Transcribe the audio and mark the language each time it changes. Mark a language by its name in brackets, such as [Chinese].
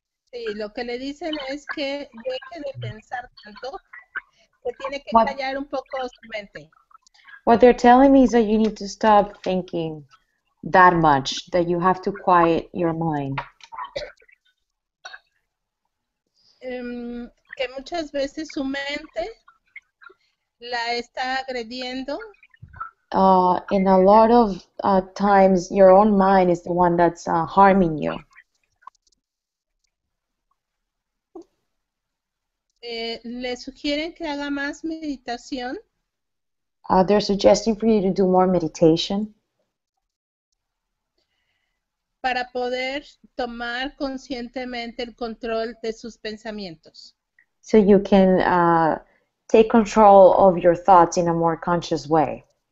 [Spanish] Sí, lo que le dicen es que deje de pensar tanto, que tiene que callar un poco su mente. [English] What they're telling me is that you need to stop thinking that much, that you have to quiet your mind. [Spanish] Que muchas veces su mente la está agrediendo. [English] In a lot of times, your own mind is the one that's harming you. [Spanish] Le sugieren que haga más meditación. [English] They're suggesting for you to do more meditation. [Spanish] Para poder tomar conscientemente el control de sus pensamientos. [English] So you can take control of your thoughts in a more conscious way.